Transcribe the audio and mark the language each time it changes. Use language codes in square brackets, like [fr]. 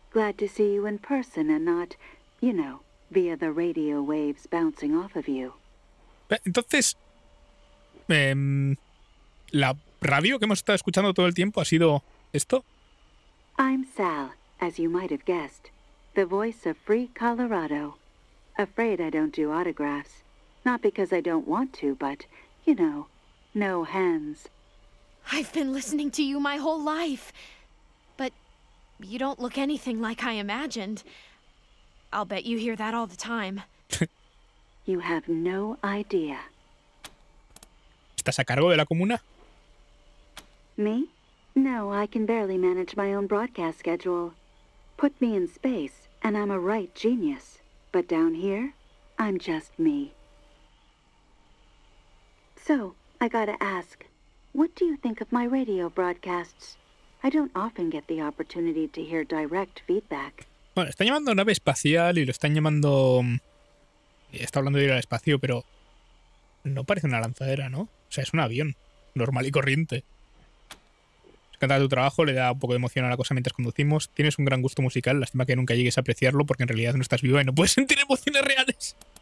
[en] Glad to see you in person and not, you know, via the radio waves bouncing off of you. [es] Entonces, ¿la radio que hemos estado escuchando todo el tiempo ha sido esto? [en] I'm Sal, as you might have guessed, the voice of Free Colorado. Afraid I don't do autographs. Not because I don't want to, but, you know, no hands. I've been listening to you my whole life. You don't look anything like I imagined. I'll bet you hear that all the time. You have no idea. [es] ¿Estás a cargo de la comuna? [en] Me? No, I can barely manage my own broadcast schedule. Put me in space, and I'm a right genius. But down here, I'm just me. So, I gotta ask, what do you think of my radio broadcasts? I don't often get the opportunity to hear direct feedback. [es] Bueno, están llamando nave espacial y lo están llamando... Está hablando de ir al espacio, pero... No parece una lanzadera, ¿no? O sea, es un avión. Normal y corriente. Me encanta tu trabajo, le da un poco de emoción a la cosa mientras conducimos. Tienes un gran gusto musical, lástima que nunca llegues a apreciarlo porque en realidad no estás vivo y no puedes sentir emociones reales.